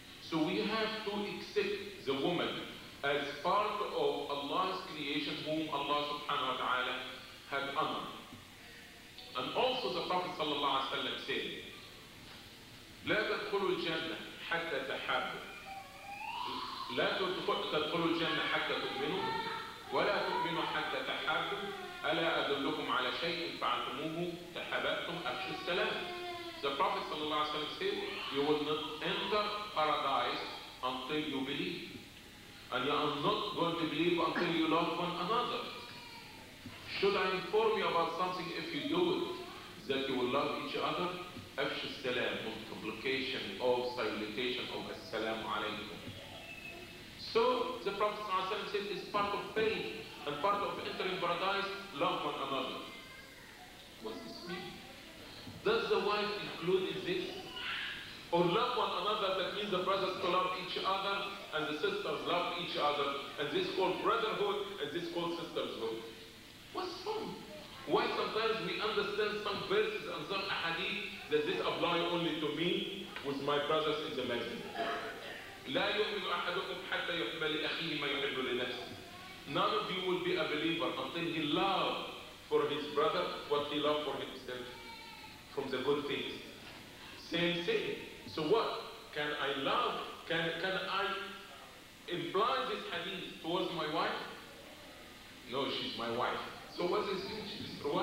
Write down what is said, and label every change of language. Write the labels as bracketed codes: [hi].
[en] So we have to accept the woman as part of Allah's creation, whom Allah subhanahu wa ta'ala had honored. And also the Prophet sallallahu alaihi wasallam said, [ar] لا تدخلوا الجنة حتى تحابوا. لا تدخلوا الجنة حتى تؤمنوا ولا تؤمنوا حتى تحابوا. ألا أدلكم على شيء فعلتموه تحاببتم أفشوا السلام. [en] The Prophet sallallahu alaihi wasallam said, you will not enter paradise until you believe. And you are not going to believe until you love one another. Should I inform you about something if you do it, that you will love each other? Afsh as-salam, multiplication of salutation of as-salamu alaykum. So the Prophet ﷺ said it's part of faith and part of entering paradise, love one another. What's this mean? Does the wife include in this? Or love one another, that means the brothers to love each other and the sisters love each other, and this called brotherhood and this called sisterhood. What's wrong? Why sometimes we understand some verses and some ahadith that this apply only to me with my brothers in the masjid? [ar] لا يؤمن أحدكم حتى يحب لأخيه ما يحب لنفسه. [en] None of you will be a believer until he love for his brother what he love for himself from the good things. Same thing. So what? Can I love? Can I imply this hadith towards my wife? No, she's my wife. So what is this?